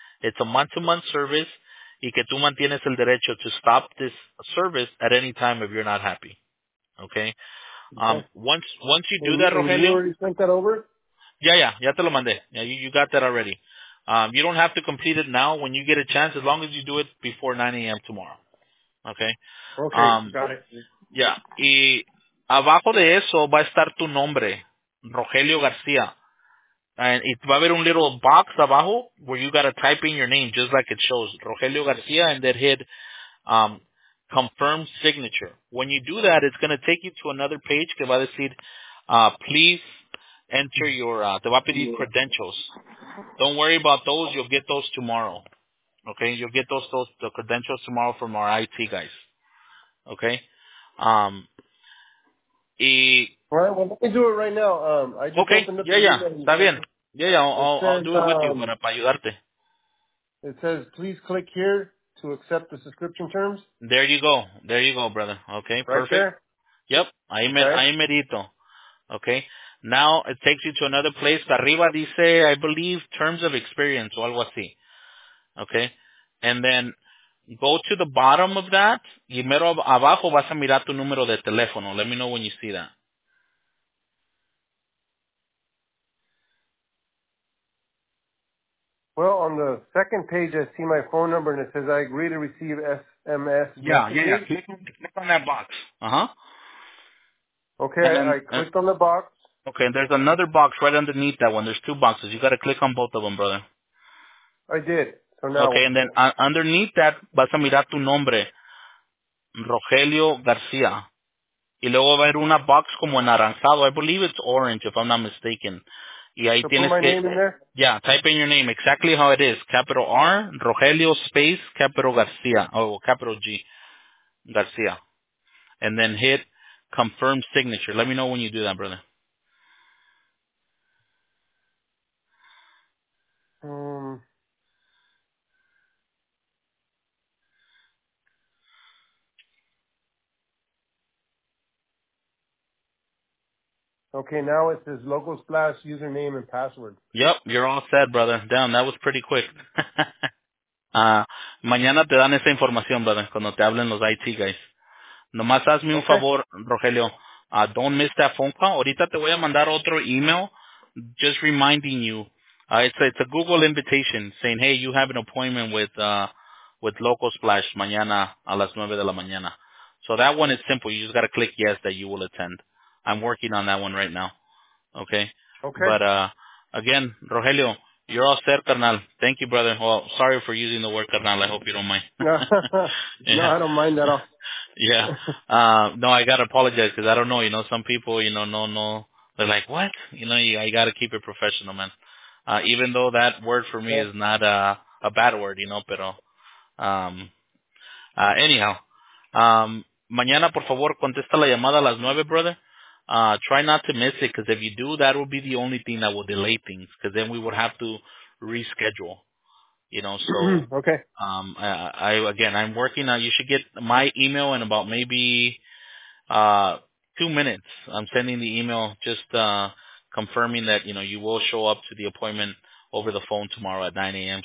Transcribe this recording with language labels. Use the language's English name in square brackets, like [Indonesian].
[English] It's a month-to-month service, [Spanish] y que tú mantienes el derecho [English] to stop this service at any time if you're not happy, okay? Once you do that, Rogelio. You already sent that over? Yeah, [Spanish] ya te lo mandé. [English] Yeah, you got that already. You don't have to complete it now when you get a chance, as long as you do it before 9 a.m. tomorrow, okay? Okay, got it. [Spanish] Yeah, y abajo de eso va a estar tu nombre, Rogelio García. [English] And it [Spanish] va a haber un [English] little box [Spanish] abajo [English] where you got to type in your name just like it shows, Rogelio García, and then hit confirm signature. When you do that, it's going to take you to another page [Spanish] que va a decir, [English] please enter your, [Spanish] te va a pedir [English] credentials. Don't worry about those. You'll get those tomorrow. Okay? You'll get those the credentials tomorrow from our IT guys. Okay? All right, well, let me do it right now. It says, please click here to accept the subscription terms. There you go. There you go, brother. Okay, right perfect. There? [Spanish] Yep, ahí merito. [English] Okay, now it takes you to another place. [Spanish] Arriba dice, [English] I believe, terms of experience [Spanish] o algo así. [English] Okay, and then go to the bottom of that. [Spanish] Y mero abajo vas a mirar tu número de teléfono. [English] Let me know when you see that. Well, on the second page, I see my phone number, and it says I agree to receive SMS. Yeah. Click on that box. Okay, and then, I clicked on the box. Okay, there's another box right underneath that one. There's two boxes. You got to click on both of them, brother. I did. So now. Okay, and then underneath that, [Spanish] vas a mirar tu nombre, [English] Rogelio García. [Spanish] Y luego va a haber una box como anaranjado. [English] I believe it's orange, if I'm not mistaken. [Spanish] Y ahí [English] so [Spanish] tienes [English] put my [Spanish] que, [English] name in there? Yeah, type in your name exactly how it is. Capital R, Rogelio, space, capital García, oh, capital G, García. And then hit confirm signature. Let me know when you do that, brother. Okay, now it says logo splash username and password. Yep, you're all set, brother. Damn, that was pretty quick. [Spanish] mañana te dan esa información, brother, cuando te hablen los [English] IT guys. [Spanish] Nomás hazme un favor, [English] Rogelio. Don't miss that phone call. [Spanish] Ahorita te voy a mandar otro email [English] just reminding you. It's a Google invitation saying, hey, you have an appointment with Local Splash [Spanish] mañana a las 9 de la mañana. [English] So that one is simple. You just got to click yes that you will attend. I'm working on that one right now. Okay? Okay. But again, Rogelio, you're all set, carnal. Thank you, brother. Well, sorry for using the word carnal. I hope you don't mind. No, I don't mind at all. Yeah. No, I got to apologize because I don't know. You know, some people, you know, no. They're like, what? You know, I got to keep it professional, man. Even though that word for me is not a bad word, you know, pero. Anyhow, [Spanish] mañana, por favor, contesta la llamada a las 9, [English] brother. Try not to miss it, because if you do, that will be the only thing that will delay things, because then we would have to reschedule, you know. So, okay. I'm working on, you should get my email in about maybe 2 minutes. I'm sending the email just confirming that, you know, you will show up to the appointment over the phone tomorrow at 9 a.m.